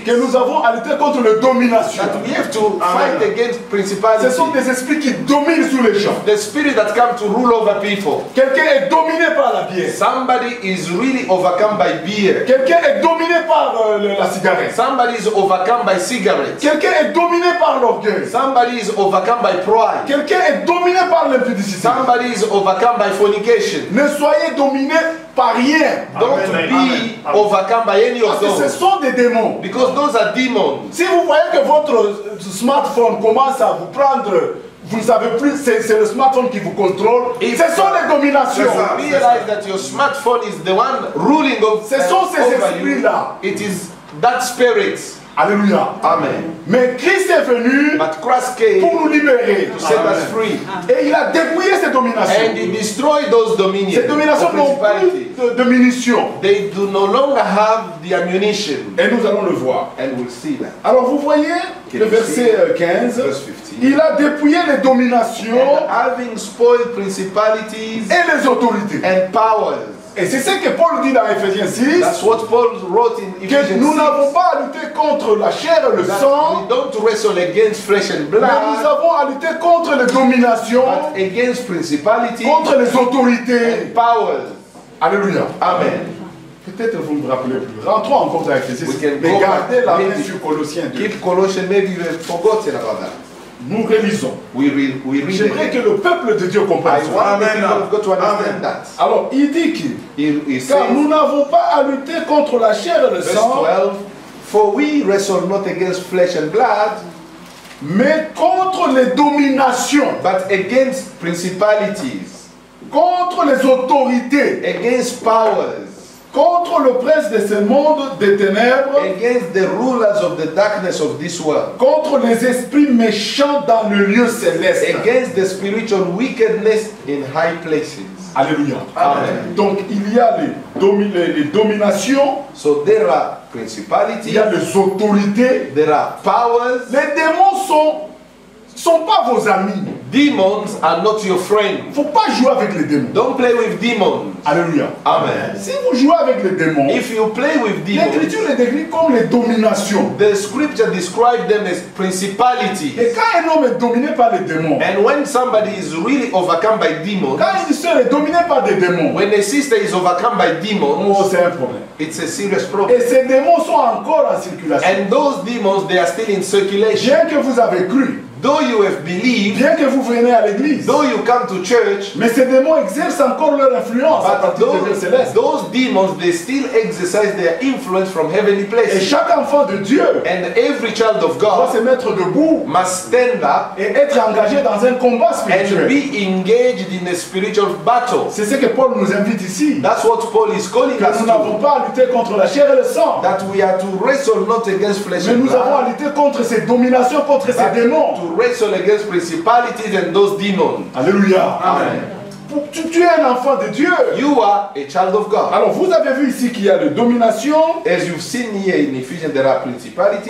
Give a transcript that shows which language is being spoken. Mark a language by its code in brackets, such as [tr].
[fr] que nous avons à lutter contre les dominations. [en] That we have to fight against principalities. [fr] Ce sont des esprits qui dominent sur les gens. [en] The spirit that come to rule over people. [fr] Quelqu'un est dominé par la bière. [en] Somebody is really overcome by beer. [fr] Quelqu'un est dominé par la cigarette. [en] Somebody is overcome by cigarettes. [fr] Quelqu'un est dominé par l'orgueil. [en] Somebody is overcome by pride. [fr] Quelqu'un est dominé par l'impudicité. [en] Somebody is overcome by fornication. [fr] Ne soyez dominé par rien. [en] Don't amen, be amen, overcome by any of those. [fr] Parce que ce sont des démons. [en] Because those are demons. [fr] Si vous voyez que votre smartphone commence à vous prendre, vous ne savez plus, c'est le smartphone qui vous contrôle. [en] If [fr] ce sont les dominations. [en] Realize that your smartphone is the one ruling of [fr] ce sont ces esprits là. [en] It is that spirit. [fr] Alléluia. [en] Amen. [fr] Mais Christ est venu, [en] but Christ came, [fr] pour nous libérer, [en] to set us free. [fr] Et il a dépouillé ces dominations. [en] And he destroyed those dominions. [fr] Ces dominations n'ont plus de munitions. [en] They do no longer have the ammunition. [fr] Et nous allons le voir. [en] And we'll see that. [fr] Alors vous voyez, can le verset 15, [en] verse 15, [fr] il a dépouillé les dominations, [en] and having spoiled principalities, [fr] et les autorités, [en] and powers. [fr] Et c'est ce que Paul dit dans Ephésiens 6. [en] That's what Paul wrote in Ephesians 6. [fr] Que nous n'avons pas à lutter contre la chair et le sang. [en] We don't wrestle against flesh and blood. [fr] Mais nous avons à lutter contre les dominations. [en] But against principalities. [fr] Contre les autorités. [en] And powers. [fr] Alléluia. [en] Amen. [fr] Peut-être vous ne me rappelez plus. Rentrons encore dans Ephésiens 6. Mais gardez la main sur Colossiens 2. [en] Keep Colossians, maybe you have forgotten about that. [fr] Nous relisons. [en] We read [fr] j'aimerais que le peuple de Dieu comprenne ça. [en] Amen. Amen. [fr] Alors, il dit que car nous n'avons pas à lutter contre la chair et le sang, [en] 12, for we wrestle not against flesh and blood, [fr] mais contre les dominations, [en] but against principalities, [fr] contre les autorités, [en] against powers, [fr] contre le prince de ce monde des ténèbres, [en] against the rulers of the darkness of this world, [fr] contre les esprits méchants dans le lieu céleste, [en] against the spiritual wickedness in high places. [fr] Alléluia. [en] Amen. [fr] Donc il y a les dominations, [en] so there are principalities, [fr] il y a les autorités, [en] there are powers. [fr] Les démons sont pas vos amis. [en] Demons are not your friend. [fr] Faut pas jouer avec les démons. [en] Don't play with demons. [fr] Alléluia. [en] Amen. [fr] Si vous jouez avec les démons, [en] if you play with demons, [fr] l'écriture les décrit comme les dominations. [en] The scripture describes them as principalities. [fr] Et quand un homme est dominé par les démons, [en] and when somebody is really overcome by demons, [fr] quand une sœur est dominée par des démons, [en] when a sister is overcome by demons, [fr] oh, c'est un problème. [en] It's a serious problem. [fr] Et ces démons sont encore en circulation. [en] And those demons, they are still in circulation. [fr] Bien que vous avez cru, [en] though you have believed, [fr] bien que vous venez à l'église, [en] though you come to church, [fr] mais ces démons exercent encore leur influence. [en] But those demons, they still exercise their influence from heavenly places. [fr] Et chaque enfant de Dieu, [en] and every child of God, [fr] doit se mettre debout, [en] must stand up, [fr] et être engagé dans un combat spirituel, [en] and be engaged in a spiritual battle. [fr] C'est ce que Paul nous invite ici. [en] That's what Paul is calling us to. [fr] Nous n'avons pas à lutter contre la chair et le sang. [en] That we are to wrestle not against flesh and blood. [fr] Mais nous avons à lutter contre ces dominations, contre ces démons. [en] To wrestle against principalities and those demons. [fr] Alléluia. [en] Amen. [fr] Tu es un enfant de Dieu. [en] You are a child of God. [fr] Alors vous avez vu ici qu'il y a les dominations. [en] As you've seen here in Ephesians, there are principalities.